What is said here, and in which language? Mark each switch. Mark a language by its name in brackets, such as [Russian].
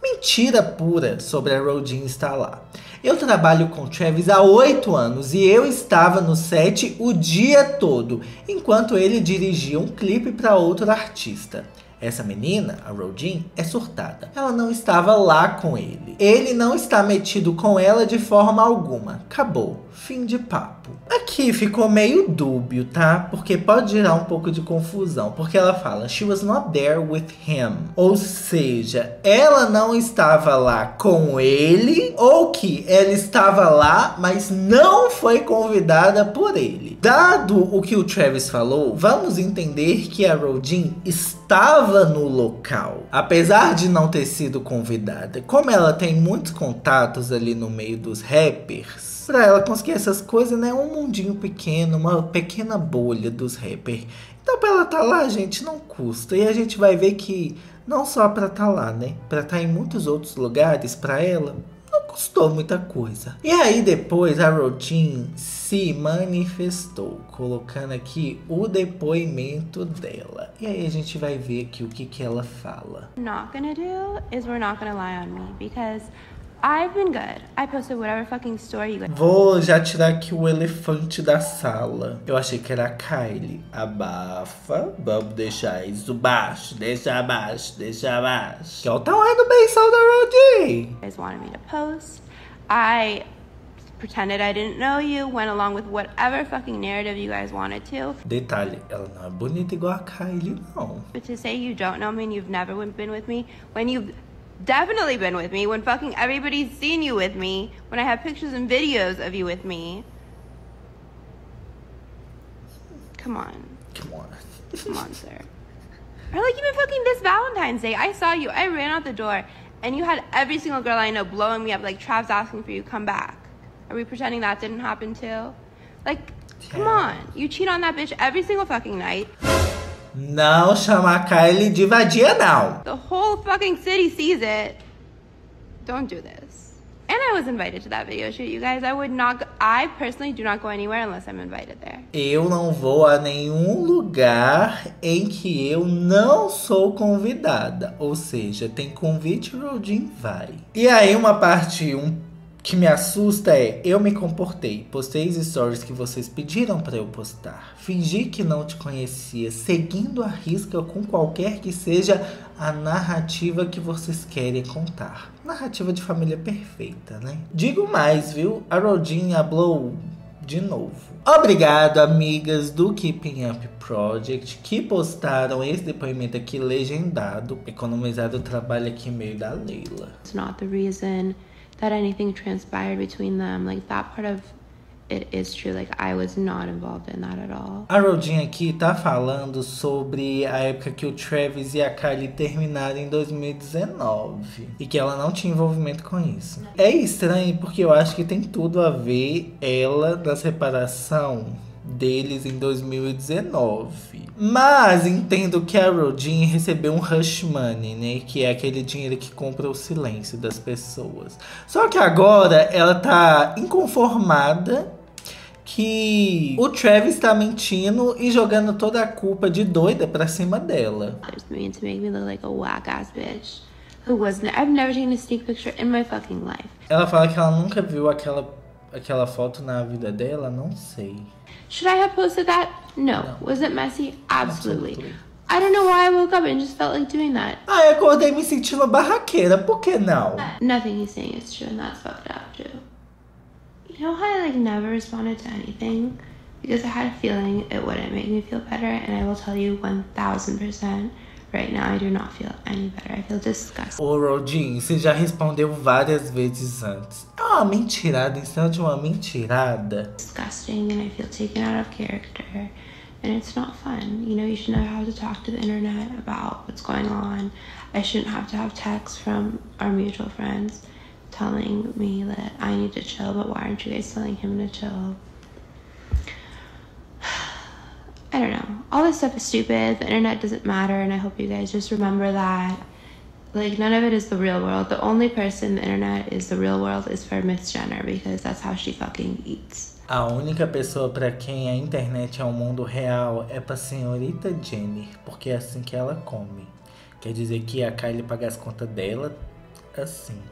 [Portuguese] Mentira pura sobre a Rodin estar lá. Eu trabalho com Travis há 8 anos e eu estava no set o dia todo, enquanto ele dirigia um clipe para outro artista. Essa menina, a Rodin, é surtada. Ela não estava lá com ele. Ele não está metido com ela de forma alguma. Acabou. Fim de papo. Aqui ficou meio dúbio, tá? Porque pode gerar um pouco de confusão. Porque ela fala, [English] she was not there with him. [Portuguese] Ou seja, ela não estava lá com ele. Ou que ela estava lá, mas não foi convidada por ele. Dado o que o Travis falou, vamos entender que a Rodin estava no local. Apesar de não ter sido convidada. Como ela tem muitos contatos ali no meio dos rappers, pra ela conseguir essas coisas, né? Um mundinho pequeno, uma pequena bolha dos rappers. Então, pra ela estar lá, gente, não custa. E a gente vai ver que não só pra estar lá, né? Pra estar em muitos outros lugares, pra ela, não custou muita coisa. E aí depois a Routine se manifestou, colocando aqui o depoimento dela. E aí a gente vai ver aqui o que que ela fala. [English] Not gonna do is we're not gonna lie on me because I've been good. I posted whatever fucking story you guys. [Portuguese] Vou já tirar aqui o elefante da sala. Eu achei que era a Kylie. Abafa. Vamos deixar isso baixo. Deixa abaixo. Deixa abaixo. Que ela tá lá no benção da Rodin. [English] You guys wanted me to post. I pretended I didn't know you. Went along with whatever fucking narrative you guys wanted to. [Portuguese] Detalhe, ela não é bonita igual a Kylie, não. [English] But to say you don't know me and you've never been with me, when you've definitely been with me, when fucking everybody's seen you with me, when I have pictures and videos of you with me. Come on. Come on. Come on, sir. Or like even fucking this Valentine's Day, I saw you, I ran out the door, and you had every single girl I know blowing me up, like Trav's asking for you, come back. Are we pretending that didn't happen too? Like, come on. You cheat on that bitch every single fucking night. [Portuguese] Não chamar a Kylie de vadia, não. [English] The whole fucking city sees it. Don't do this. And I was invited to that video shoot, you guys. I would not go, I personally do not go anywhere unless I'm invited there. [Portuguese] Eu não vou a nenhum lugar em que eu não sou convidada. Ou seja, tem convite, Rodin vai. E aí uma parte que me assusta é, eu me comportei, postei as stories que vocês pediram pra eu postar, fingi que não te conhecia, seguindo a risca com qualquer que seja a narrativa que vocês querem contar. Narrativa de família perfeita, né? Digo mais, viu? A Rodin ablou de novo. Obrigado, amigas do Keeping Up Project, que postaram esse depoimento aqui legendado, economizado o trabalho aqui meio da Leila. [English] It's not the reason that anything transpired between them, like that part of it is true, like I was not involved in that at all. [Portuguese] A Rodin aqui tá falando sobre a época que o Travis e a Kylie terminaram em 2019 e que ela não tinha envolvimento com isso. É estranho porque eu acho que tem tudo a ver ela da separação deles em 2019. Mas entendo que a Rodin recebeu um hush money, né? Que é aquele dinheiro que compra o silêncio das pessoas. Só que agora ela tá inconformada que o Travis tá mentindo e jogando toda a culpa de doida pra cima dela. [English] There's meant to make me look like a whack ass bitch. Who wasn't? I've never taken a sneak picture in my fucking life. [Portuguese] Ela fala que ela nunca viu aquela foto na vida dela, não sei. [English] Should I have posted that? No. Was it messy? Absolutely. I don't know why I woke up and just felt like doing that. [Portuguese] Ai, acordei me sentindo barraqueira. Por que não? [English] Nothing he's saying is true, and that's fucked up too. You know how I like never responded to anything? Because I had a feeling it wouldn't make me feel better, and I will tell you 1000%. Right now I do not feel any better. I feel disgusted. [Portuguese] Ô, Rodin, você já respondeu várias vezes antes. É uma mentirada, em cima de uma mentirada. [English] Disgusting, and I feel taken out of character. And it's not fun. You know, you should never have to talk to the internet about what's going on. I shouldn't have to have texts from our mutual friends telling me that I need to chill, but why aren't you guys telling him to chill? I don't know. All this stuff is stupid. The internet doesn't matter. And I hope you guys just remember that. Like, none of it is the real world. The only person the internet is the real world is for Miss Jenner. Because that's how she fucking eats. [Portuguese] A única pessoa pra quem a internet é o mundo real é pra senhorita Jenner. Porque é assim que ela come. Quer dizer que a Kylie paga as contas dela assim.